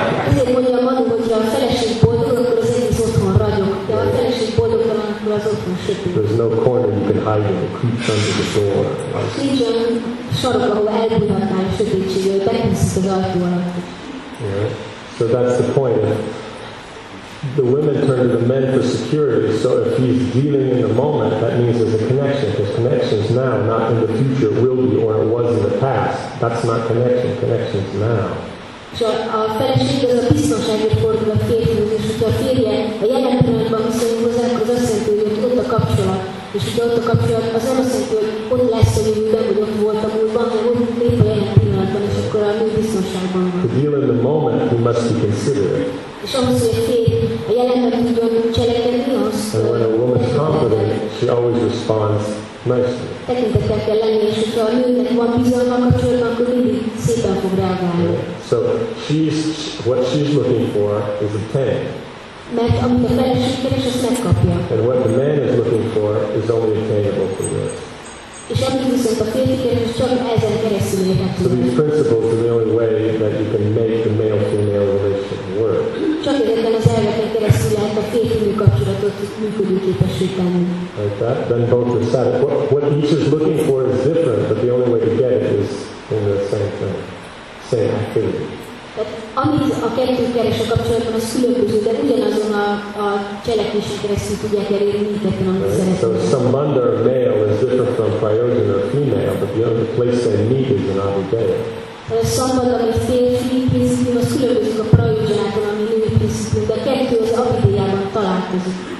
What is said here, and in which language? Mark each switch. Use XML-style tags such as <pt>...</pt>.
<hu>Ezért mondja a Manu, hogy ha a feleség boldog, akkor az egész otthon ragyog, de a feleség boldogtalan, akkor az otthon sötét.</hu> <en>There's no corner you can hide in, it creeps under the door.</en> <hu>Nincs olyan sarok, ahol elbújhatnál a sötétségből, beteszik az ajtó alatt.</hu> <en>So that's the point. The women turn to the men for security, so if he's dealing in the moment, that means there's a connection, because connection is now, not in the future, will be, or it was in the past. That's not connection, connection is now.</en> <hu>So a feleség az a biztonságért fordul a férjhez, és hogyha a férje a jelen pillanatban viszonyul hozzá, akkor az azt jelenti, hogy ott a kapcsolat. És hogyha ott a kapcsolat, az nem azt jelenti, hogy ott lesz a jövőben, hogy ott volt a múltban, hanem ott lép a jelen pillanatban, és akkor a nő biztonságban van.</hu> <en>To deal in the moment, he must be considerate.</en> <hu>És ahhoz, hogy a férj a jelenben tudjon cselekedni,</hu> <en>and when a woman is confident, she always responds nicely.</en> <hu>Tekintettel kell lenni, és hogyha a nőnek van bizalma a kapcsolatban, akkor mindig szépen fog reagálni.</hu> <en>So she's, what she's looking for is a tank.</en> <hu>Mert amit a feleség keres, azt megkapja.</hu> <en>And what the man is looking for is only attainable for her.</en> <hu>És amit viszont a férfi keres, csak ezen keresztül érhető.</hu> <en>So these principles are the only way that you can make the male-female relationship work.</en> <hu>Csak ezen az elveken keresztül lehet a férfi-nő kapcsolatot működőképessé tenni.</hu> <en>Like that, then both are satisfied. What each is looking for is different, but the only way to get it is in the same thing.</en> <hu>Tehát amit a kettő keres a kapcsolatban, az különböző, de ugyanazon a cselekvési keresztül tudják elérni mindketten, amit szeretnénk.</hu> <en>So Sambandha or male is different from Prayojana or female, but the only place they meet is in Abhidaya.</en> <hu>Sambandha, ami férfi principium, az különbözik a Prayojanától, ami női principium, de a kettő az Abhidayában találkozik.</hu>